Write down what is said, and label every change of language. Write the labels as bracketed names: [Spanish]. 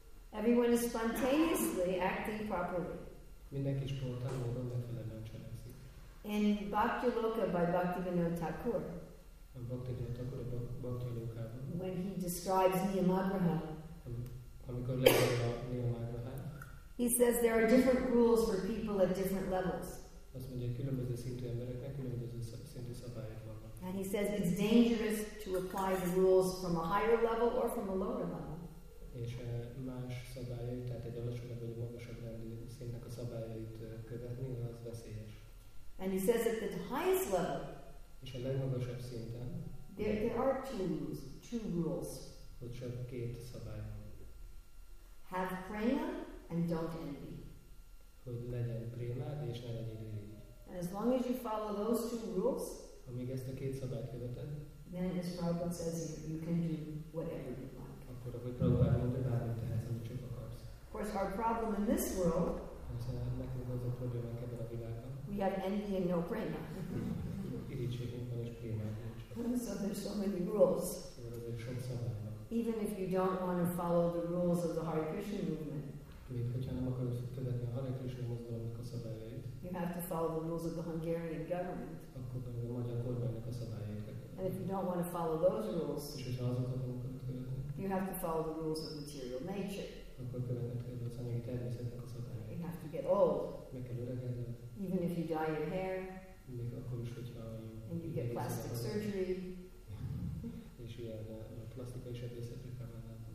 [English] Everyone is spontaneously acting properly. [Hungarian] Mindenki spontán módon megfelelően cselekszik. [English] In Bhakti Loka by Bhaktivinoda Thakur. [Hungarian] A Bhakti Vinoda Thakur a Bhakti Lokában. [English] When he describes Niyamagraha. [Hungarian] Amikor leírja a Niyamagrahát. [English] He says there are different rules for people at different levels. [Hungarian] Azt mondja, különböző szintű embereknek különböző szintű szabályok vannak. [English] And he says it's dangerous to apply the rules from a higher level or from a lower level. [Hungarian] És más szabályai, tehát egy alacsonyabb vagy magasabb rendű szintnek a szabályait követni, az veszélyes. [English] And he says at the highest level. [Hungarian] És a legmagasabb szinten. [English] There are two rules. [Hungarian] Ott csak két szabály van. [English] Have prema and don't envy. [Hungarian] Hogy legyen prémád, és ne legyen irigy. [English] And as long as you follow those two rules, [Hungarian] amíg ezt a két szabályt követed, [English] then as Prabhupada says, you can do whatever you like. [Hungarian] Akkor, ahogy Prabhupada mondta, bármit tehetsz, amit csak akarsz. [English] Of course, our problem in this world, [Hungarian] nekünk az a problémánk ebben a világban, [English] we have envy and no prema. [Hungarian] Irigységünk van, és prémád nincs. [English] So there's so many rules. [Hungarian] Szóval azért sok szabály van. [English] Even if you don't want to follow the rules of the Hare Krishna movement, [Hungarian] még hogyha nem akarod követni a Hare Krishna mozgalomnak a szabályait, [English] you have to follow the rules of the Hungarian government. [Hungarian] Akkor pedig a magyar kormánynak a szabályait. [English] And if you don't want to follow those rules, [Hungarian] és hogyha azokat nem akarod követni, [English] you have to follow the rules of material nature. [Hungarian] Akkor követned kell az anyagi természetnek a szabályait. [English] You have to get old. [Hungarian] Meg kell öregedned. [English] Even if you dye your hair. [Hungarian] Még akkor is, hogyha [English] and you get plastic surgery. [Hungarian] És ilyen a plastikai sebészetek kell.